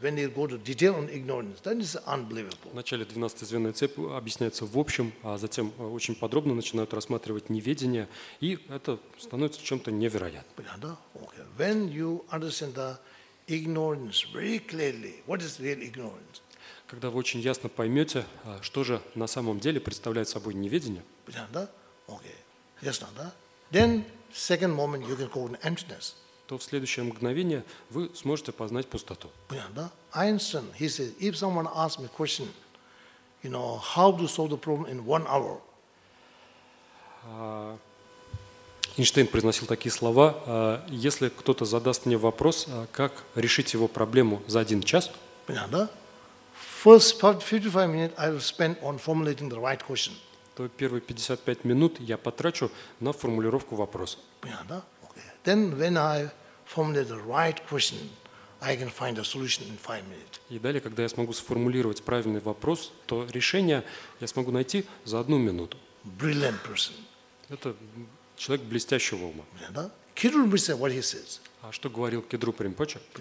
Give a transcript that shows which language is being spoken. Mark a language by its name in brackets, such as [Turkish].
[English] When you go to detail on ignorance, that is unbelievable. [Russian] Вначале 12-звенная цепь объясняется в общем, а затем очень подробно начинают рассматривать неведение, и это становится чем-то невероятным. [English] Okay. When you understand the ignorance very clearly, what is real ignorance? [Russian] Когда вы очень ясно поймете, что же на самом деле представляет собой неведение. Понятно? [English] Okay. Yes, not that. Then second moment you can call emptiness. [Russian] То в следующее мгновение вы сможете познать пустоту. Понятно? [English] Einstein, he says, if someone asks me a question, you know, how to solve the problem in one hour. [Russian] Эйнштейн произносил такие слова: если кто-то задаст мне вопрос, как решить его проблему за один час. Понятно? [English] First 55 minutes I will spend on formulating the right question. [Russian] То первые 55 минут я потрачу на формулировку вопроса. Понятно? [English] Then when I formulate the right question, I can find a solution in 5 minutes. [Russian] И далее, когда я смогу сформулировать правильный вопрос, то решение я смогу найти за одну минуту. [English] Brilliant person. [Russian] Это человек блестящего ума. [English] Кедру Римпоче, what he says. [Russian] А что говорил Кедру Римпоче?